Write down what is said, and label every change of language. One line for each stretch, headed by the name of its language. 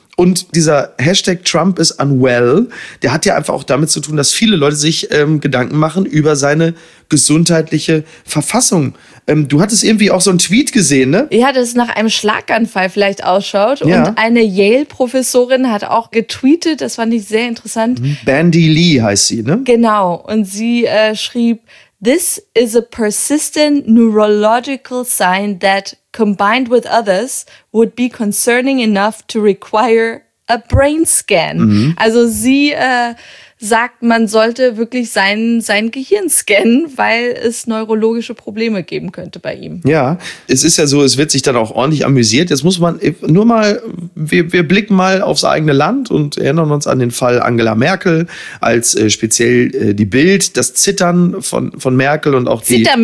German: Und dieser Hashtag Trump is unwell, der hat ja einfach auch damit zu tun, dass viele Leute sich Gedanken machen über seine gesundheitliche Verfassung. Du hattest irgendwie auch so einen Tweet gesehen, ne? Ja, das nach einem Schlaganfall vielleicht ausschaut. Ja. Und eine Yale-Professorin hat auch getweetet, das fand ich sehr interessant. Bandy Lee heißt sie, ne? Genau. Und sie schrieb,
English: this is a persistent neurological sign that combined with others would be concerning enough to require a brain scan. Mhm.
German: Also sie sagt, man sollte wirklich sein Gehirn scannen, weil es neurologische Probleme geben könnte bei ihm. Ja, es ist ja so, es wird sich dann auch ordentlich amüsiert. Jetzt muss man nur mal, wir blicken mal aufs eigene Land und erinnern uns an den Fall Angela Merkel, als speziell die Bild, das Zittern von Merkel und auch die...